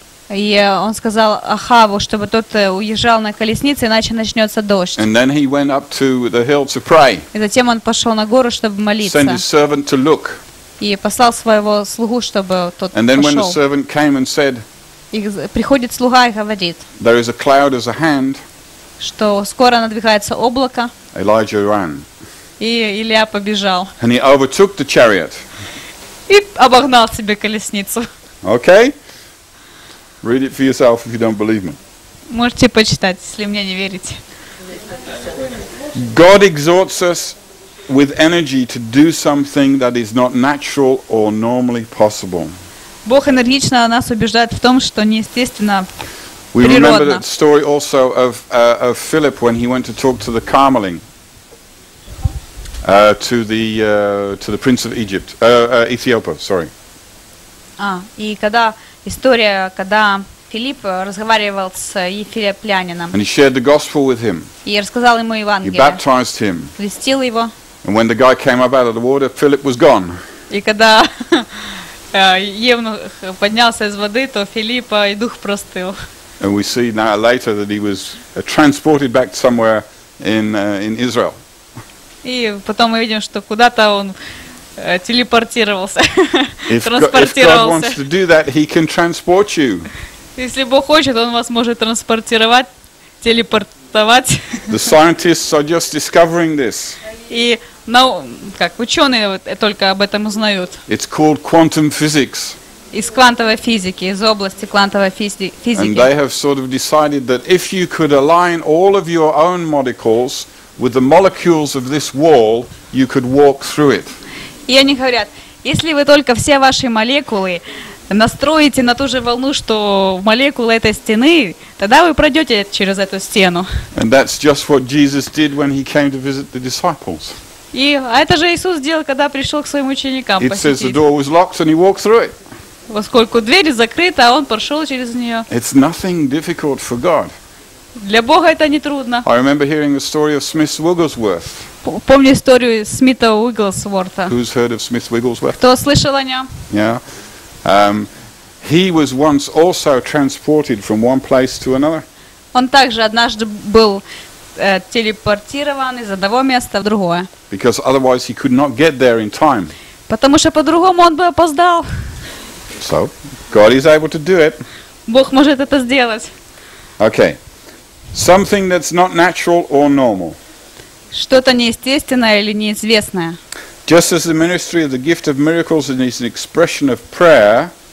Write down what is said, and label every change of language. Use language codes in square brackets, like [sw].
[ru] И он сказал Ахаву, чтобы тот уезжал на колеснице, иначе начнется дождь. [en] And then he went up to the hill to pray. [ru] И затем он пошел на гору, чтобы молиться. [en] Send his servant to look. [ru] И послал своего слугу, чтобы тот пошел. [en] And then when the servant came and said, [ru] приходит слуга и говорит, [en] there is a cloud as a hand. [ru] Что скоро надвигается облако. [en] Elijah ran. [ru] И Илия побежал. [en] And he overtook the chariot. [ru] И обогнал себе колесницу. [en] Okay. Read it for yourself if you don't believe me. [ru] Можете почитать, если мне не верите. [en] God exhorts us with energy to do something that is not natural or normally possible. [ru] Бог энергично нас убеждает в том, что неестественно, природно. [en] We remember that story also of Philip when he went to talk to the Carmeling, to the prince of Egypt, Ethiopia, sorry. [ru] А, и когда история, когда Филипп разговаривал с ефиоплянином. [en] And he shared the gospel with him. [ru] И рассказал ему Евангелие. [en] He baptized him. [ru] Крестил его. [en] And when the guy came up out of the water, Philip was gone. [ru] И когда евнух поднялся из воды, то Филиппа и дух простыл. [en] And we see now later that he was transported back somewhere in Israel. [ru] И потом мы видим, что куда-то он телепортировался. [en] If God wants to do that, he can transport you. [ru] Если Бог хочет, он вас может транспортировать, телепортовать. [en] The scientists are just discovering this. [ru] И как ученые только об этом узнают. [en] It's called quantum physics. [ru] Из квантовой физики, из области квантовой физики. [en] And they have sort of decided that if you could align all of your own molecules with the molecules of this wall, you could walk through it. [ru] И они говорят, если вы только все ваши молекулы настроите на ту же волну, что молекулы этой стены, тогда вы пройдете через эту стену. [en] And that's just what Jesus did when he came to visit the disciples. [ru] И это же Иисус сделал, когда пришел к своим ученикам посетить. [en] It says the door was locked and he walked through it. [ru] Поскольку дверь закрыта, а он прошел через нее. [en] It's nothing difficult for God. [ru] Для Бога это не трудно. [en] I remember hearing the story of Smith Wigglesworth. [ru] Помню историю Смита Уигглсворта. [en] Who's heard of Smith Wigglesworth? [ru] Кто слышал о нем? [en] Yeah. He was once also transported from one place to another. [ru] Он также однажды был телепортирован из одного места в другое. [en] Because otherwise he could not get there in time. [ru] Потому что по-другому он бы опоздал. [en] So, God is able to do it. [ru] Бог может это сделать. [en] Okay. Something that's not natural or normal. [ru] Что-то неестественное или неизвестное. [en] Just as the ministry of the gift of miracles is an expression of prayer.